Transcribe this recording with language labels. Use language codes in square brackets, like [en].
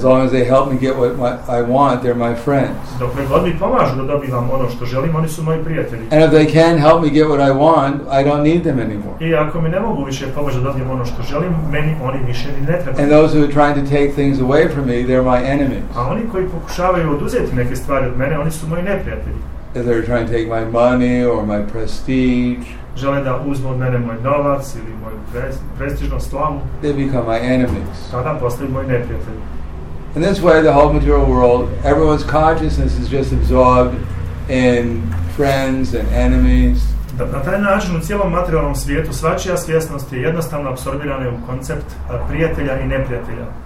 [en] As long as they help me get what I want, they're my friends. [bs] Dokle god mi pomažu da dobivam ono što želim, oni su moji prijatelji. [en] And if they can help me get what I want, I don't need them anymore. [bs] I ako mi ne mogu više pomoći da dobijem ono što želim, meni oni više ni ne trebaju. [en] And those who are trying to take things away from me, they're my enemies. [bs] A oni koji pokušavaju oduzeti neke stvari od mene, oni su moji neprijatelji. [en] If they're trying to take my money or my prestige, [bs] žele da uzmu od mene moj novac ili moju prestižnu slavu, [en] they become my enemies. [bs] Tada postaju moji neprijatelji. [en] In this way, the whole material world, everyone's consciousness is just absorbed in friends and enemies. [bs] Da, na taj način, u cijelom materialnom svijetu, svačija svjesnost je jednostavno apsorbirana u koncept prijatelja i neprijatelja.